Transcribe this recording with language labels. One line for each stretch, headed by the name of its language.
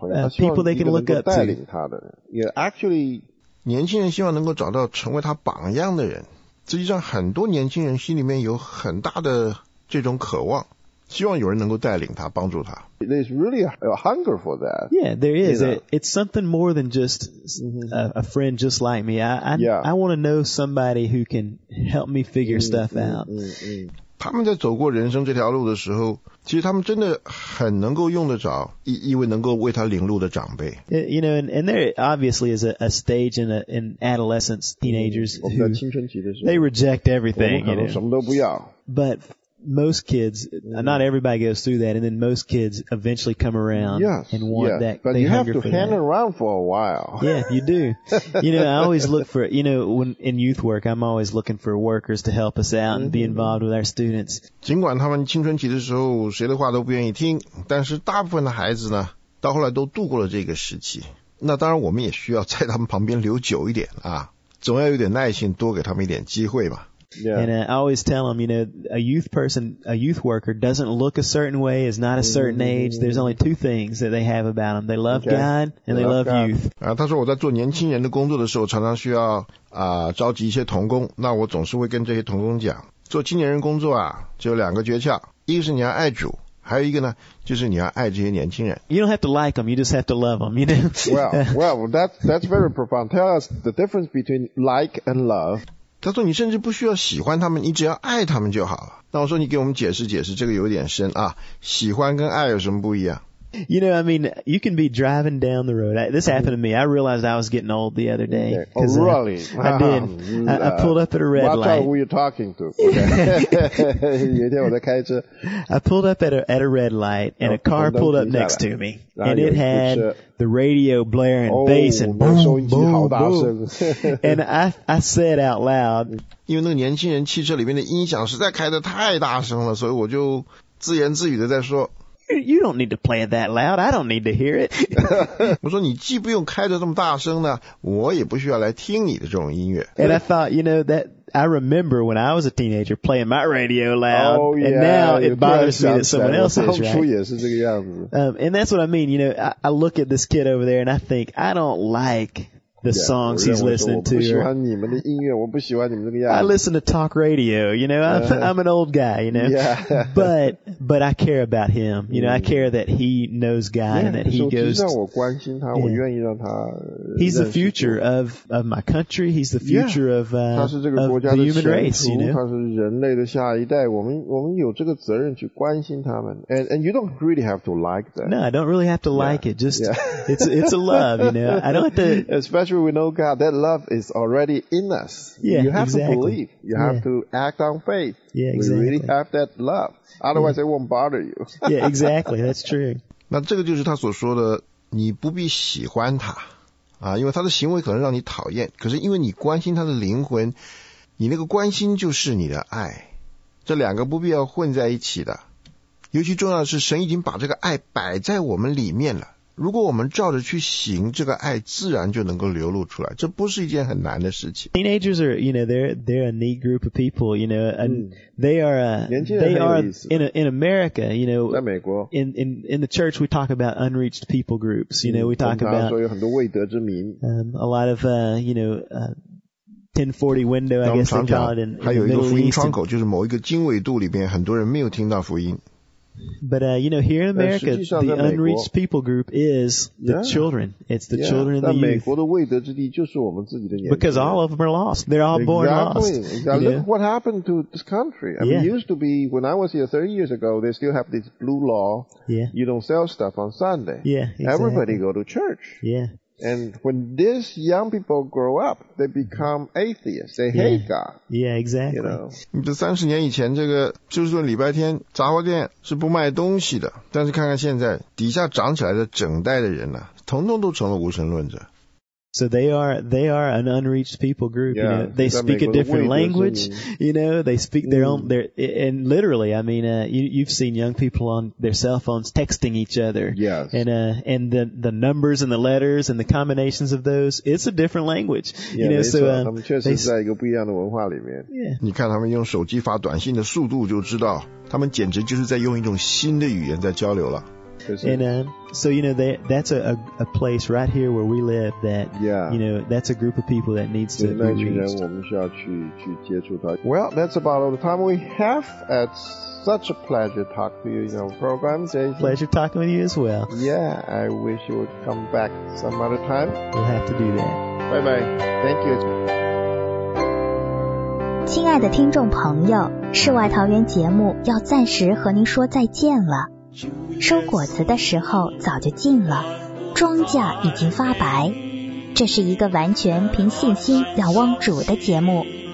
English: People they can look up to. Actually,
Chinese: 年轻人希望能够找到成为他榜样的人。实际上很多年轻人心里面有很大的这种渴望。希望有人能够带领他，帮助他。
English: There's really a hunger for that. Yeah, there is. It's something more than just a friend just like me. I want to know somebody who can help me figure stuff out.
Chinese: 他们在走过人生这条路的时候，其实他们真的很能够用得着一位能够为他领路的长辈。
English: You know, and there obviously is a stage in adolescence, teenagers who they reject everything.
Chinese: 我们可能什么都不要。
English: But most kids, not everybody goes through that, and then most kids eventually come around and want that. But you have to hang around for a while. Yeah, you do. You know, I always look for, you know, when in youth work, I'm always looking for workers to help us out and be involved with our students.
Chinese: 尽管他们青春期的时候谁的话都不愿意听，但是大部分的孩子呢，到后来都度过了这个时期。那当然我们也需要在他们旁边留久一点啊，总要有点耐心，多给他们一点机会嘛。
English: Yeah. And I always tell them, you know, a youth person, a youth worker doesn't look a certain way, is not a certain age. There's only two things that they have about them. They love God and they love youth.
Chinese: 啊，他说我在做年轻人的工作的时候，常常需要啊召集一些同工。那我总是会跟这些同工讲，做青年人工作啊，就有两个诀窍，一个是你要爱主。还有一个呢，就是你要爱这些年轻人。
English: You don't have to like them, you just have to love them, you know? well, that's very profound. Tell us the difference between like and love.
Chinese: 他说你甚至不需要喜欢他们，你只要爱他们就好了。那我说你给我们解释解释，这个有点深啊，喜欢跟爱有什么不一样？
English: You know, I mean, you can be driving down the road. This happened to me. I realized I was getting old the other day. Oh, really? I did. I pulled up at a red light. Watch out who you're talking to. Okay. I pulled up at a red light, and a car pulled up next to me. And it had the radio blaring, bass, and boom, boom, boom. And I said out loud,
Chinese: 因为那个年轻人汽车里面的音响实在开得太大声了，所以我就自言自语的在说，
English: You don't need to play it that loud. I don't need to hear it.
Chinese: 我说你既不用开着这么大声呢，我也不需要来听你的这种音乐。
English: And I thought, you know, that I remember when I was a teenager playing my radio loud. Oh, yeah, and now it bothers me that someone else is, right?
Chinese: 当初也是这个样子。
English: And that's what I mean. You know, I look at this kid over there and I think, I don't like the songs he's listening to.
Chinese: 我不喜欢你们的音乐，我不喜欢你们这个样子。
English: I listen to talk radio, you know, I'm an old guy, you know. Yeah. But I care about him, you know, I care that he knows God and that he goes.
Chinese: 我关心他，我愿意让他。
English: He's the future of my country. He's the future of the human race, you know.
Chinese: 他是人类的下一代，我们有这个责任去关心他们。
English: And you don't really have to like that. No, I don't really have to like it. Just, it's a love, you know. I don't have to. Especially we know God, that love is already in us. Yeah, you have exactly. to believe. You have to act on faith. Yeah, exactly. We really have that love. Otherwise, it won't bother you. Yeah, exactly. That's true.
Chinese: 那这个就是他所说的，你不必喜欢他啊，因为他的行为可能让你讨厌。可是因为你关心他的灵魂，你那个关心就是你的爱，这两个不必要混在一起的。尤其重要的是，神已经把这个爱摆在我们里面了。如果我们照着去行，这个爱自然就能够流露出来，这不是一件很难的事情。
English: Teenagers are, you know, they're a neat group of people, you know, and they are in America, you know,
Chinese: 在美国
English: in the church we talk about unreached people groups, you know, we talk about
Chinese: 有很多未得之民
English: a lot of, you know, 1040 window, I guess they call it,
Chinese: 还有一个福音窗口，就是某一个经纬度里边很多人没有听到福音。
English: But, you know, here in America, the unreached people group is the children. It's the children and the youth. Because all of them are lost. They're all born lost. Exactly. Look what happened to this country. I mean, it used to be, when I was here 30 years ago, they still have this blue law. Yeah. You don't sell stuff on Sunday. Yeah, exactly. Everybody go to church. Yeah. And when these young people grow up, they become atheists. They hate God. Yeah, exactly. You know,
Chinese: 你这三十年以前，这个就是说礼拜天杂货店是不卖东西的。但是看看现在，底下长起来的整代的人呢、啊，统统都成了无神论者。
English: So they are an unreached people group. Yeah, you know, they speak a different language. You know, they speak their own. They're, and literally, I mean, you've seen young people on their cell phones texting each other. Yes. And the numbers and the letters and the combinations of those, it's a different language. Yeah, you know, so,
Chinese: 他们确实在一个不一样的文化里面。
English: Yeah.
Chinese: 你看他们用手机发短信的速度就知道，他们简直就是在用一种新的语言在交流了。
English: And so, you know, that's a place right here where we live that, you know, that's a group of people that needs to be reached. Well, that's about all the time we have. It's such a pleasure to talk to you in our program, Jason. Pleasure talking with you as well. Yeah, I wish you would come back some other time. We'll have to do that. Bye-bye. Thank you.
Chinese: 亲爱的听众朋友，世外桃源节目要暂时和您说再见了。收果子的时候早就尽了，庄稼已经发白，这是一个完全凭信心仰望主的节目。